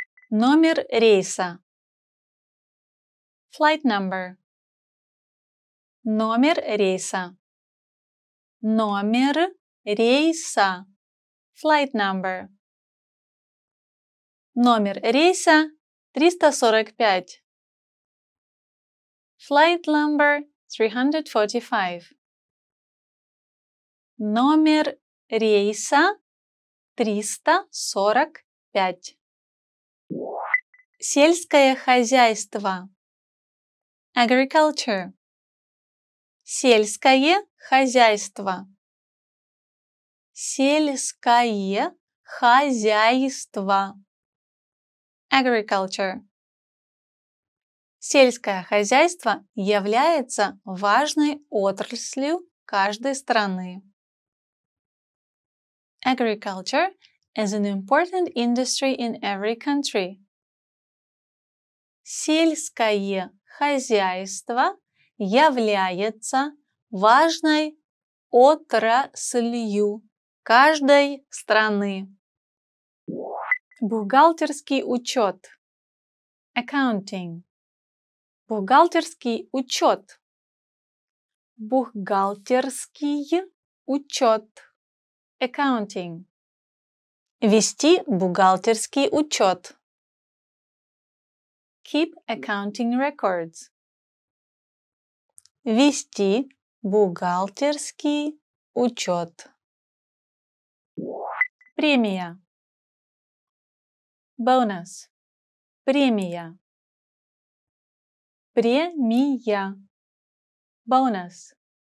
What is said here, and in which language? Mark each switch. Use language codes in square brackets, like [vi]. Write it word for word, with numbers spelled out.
[ru] Номер рейса. [en] Flight number. [ru] Номер рейса. Номер рейса. [en] Flight number. [ru] Номер рейса триста сорок пять. [en] Flight number three forty-five. [ru] Номер рейса триста сорок пять. Сельское хозяйство. [en] Agriculture. [ru] Сельское хозяйство. Сельское хозяйство. [en] Agriculture. [ru] Сельское хозяйство является важной отраслью каждой страны. [en] Agriculture is an important industry in every country. [ru] Сельское хозяйство является важной отраслью каждой страны. Бухгалтерский учет. [en] Accounting. [ru] Бухгалтерский учет. Бухгалтерский учет. [en] Accounting. [ru] Вести бухгалтерский учет. [en] Keep accounting records. [ru] Вести бухгалтерский учет. Премия. Бонус. Премия. Премия. Бонус.